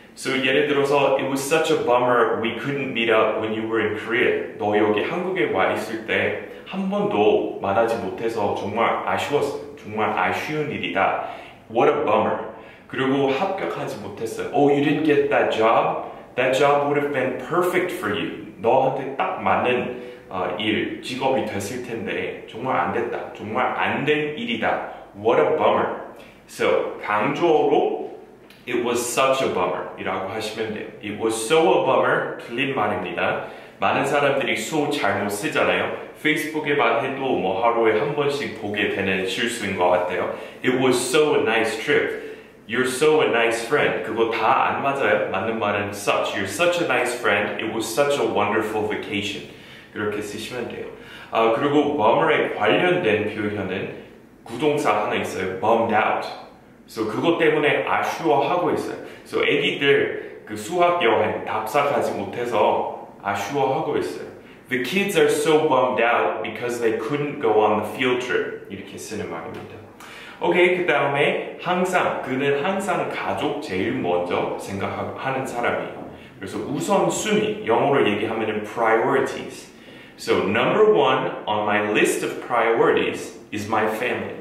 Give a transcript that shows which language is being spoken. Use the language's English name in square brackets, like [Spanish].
[English] So [Korean] 예를 들어서 [English] It was such a bummer we couldn't meet up when you were in Korea. [Korean] 너 여기 한국에 와 있을 때 한 번도 만나지 못해서 정말 아쉬웠어. 정말 아쉬운 일이다. [English] What a bummer. [Korean] 그리고 합격하지 못했어. [English] Oh, you didn't get that job? That job would have been perfect for you. [Korean] 너한테 딱 맞는 일, 직업이 됐을 텐데 정말 안 됐다. 정말 안 된 일이다. [English] What a bummer. So [Korean] 강조로 [English] it was such a bummer [Korean] 이라고 하시면 돼요. [English] It was so a bummer [Korean] 틀린 말입니다. 많은 사람들이 so 잘못 쓰잖아요. Facebook에만 해도 뭐 하루에 한 번씩 보게 되는 실수인 것 같아요. [English] It was so a nice trip. You're so a nice friend. [Korean] 그거 다 안 맞아요. 맞는 말은 such. [English] You're such a nice friend. It was such a wonderful vacation. [Korean] 이렇게 쓰시면 돼요. 그리고 bummer에 관련된 표현은 구동사 하나 있어요. [English] Bummed out. [Korean] So 그것 때문에 아쉬워하고 있어요. So 애기들 그 수학 여행 답사 가지 못해서 아쉬워하고 있어요. [English] The kids are so bummed out because they couldn't go on the field trip. [Korean] 이렇게 쓰는 말입니다. 오케이, 그 다음에 항상, 그는 항상 가족 제일 먼저 생각하는 사람이에요. 그래서 우선순위, 영어로 얘기하면 priorities. [English] So number one on my list of priorities is my family.